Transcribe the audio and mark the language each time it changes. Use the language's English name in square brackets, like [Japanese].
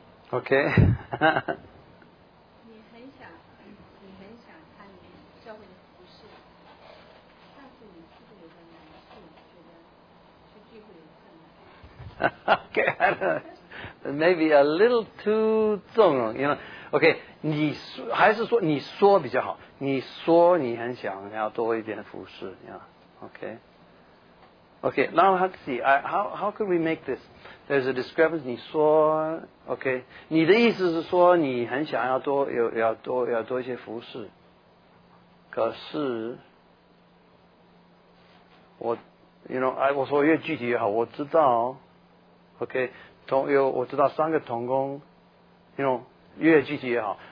[Chinese] OK 。你很想参与教会的服事，但是你是不是有点难处，觉得去聚会有困难。 [English] OK， maybe a little too [Chinese] 纵容 [English] ，you know。 [Chinese] OK， 你说还是说你说比较好？你说你很想要多一点服侍 [English] ，OK， now let's see， how could we make this？ There's a discrepancy。 [Chinese] 你说 OK， 你的意思是说你很想要多有要多要多一些服侍，可是我 ， [English] you know， [Chinese] 我说越具体越好。我知道 ，OK， 我知道三个同工 ，you know。越具体越好。